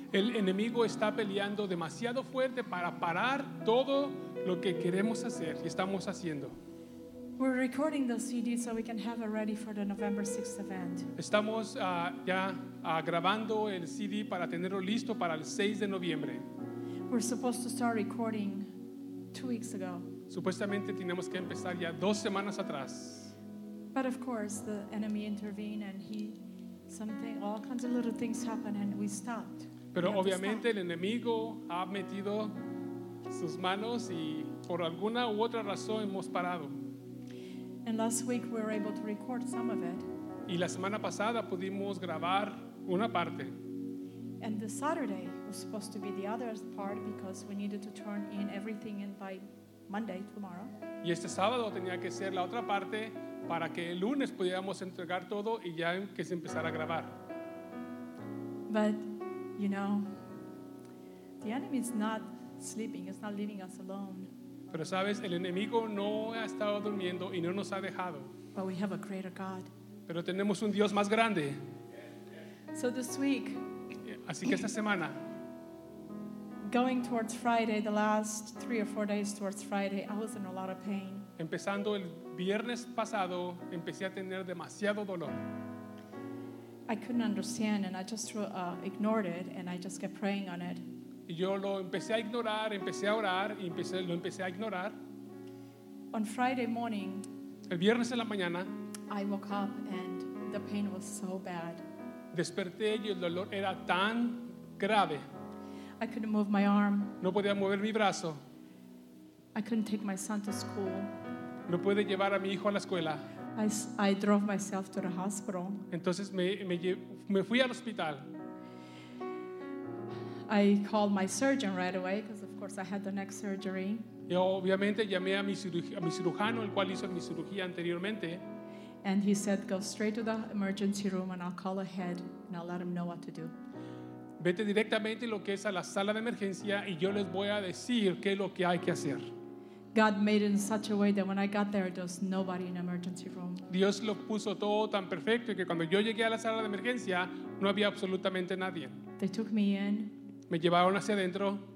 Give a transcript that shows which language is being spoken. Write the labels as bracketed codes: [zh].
[es] El enemigo está peleando demasiado fuerte para parar todo lo que queremos hacer y estamos haciendo. [en] We're recording the CD so we can have it ready for the November 6th event. [es] Estamos grabando el CD para tenerlo listo para el 6 de noviembre. [en] We're supposed to start recording 2 weeks ago. [es] Supuestamente teníamos que empezar ya 2 semanas atrás. [en] But of course, the enemy intervened and all kinds of little things happened and we stopped. [es] Pero obviamente el enemigo ha metido sus manos y por alguna u otra razón hemos parado. [en] And last week we were able to record some of it. [es] Y la semana pasada pudimos grabar una parte. [en] And the Saturday was supposed to be the other part because we needed to turn in everything in by Monday, tomorrow. [es] Y este sábado tenía que ser la otra parte para que el lunes pudiéramos entregar todo y ya que se empezara a grabar. [en] But, you know, the enemy is not sleeping, it's not leaving us alone. [es] Pero sabes, el enemigo no ha estado durmiendo y no nos ha dejado. [en] But we have a greater God. [es] Pero tenemos un Dios más grande. [en] So this week, [es] así que esta semana, [en] going towards Friday, the last 3 or 4 days towards Friday, I was in a lot of pain. [es] Empezando el viernes pasado, empecé a tener demasiado dolor. [en] I couldn't understand and I just ignored it and I just kept praying on it. [es] Y yo lo empecé a ignorar, empecé a orar y lo empecé a ignorar. [en] On Friday morning, [es] el viernes en la mañana, [en] I woke up and the pain was so bad. [es] Desperté y el dolor era tan grave. [en] I couldn't move my arm. [es] No podía mover mi brazo. [en] I couldn't take my son to school. [es] No pude llevar a mi hijo a la escuela. [en] I drove myself to the hospital. [es] Entonces me fui al hospital. [en] I called my surgeon right away because, of course, I had the next surgery. [es] Y obviamente llamé a mi cirujano, el cual hizo mi cirugía anteriormente. [en] And he said, "Go straight to the emergency room, and I'll call ahead and I'll let him know what to do." [es] Vete directamente lo que es a la sala de emergencia, y yo les voy a decir qué es lo que hay que hacer. [en] God made it in such a way that when I got there, there was nobody in the emergency room. [es] Dios lo puso todo tan perfecto que cuando yo llegué a la sala de emergencia no había absolutamente nadie. [en] They took me in. [es] Me llevaron hacia adentro.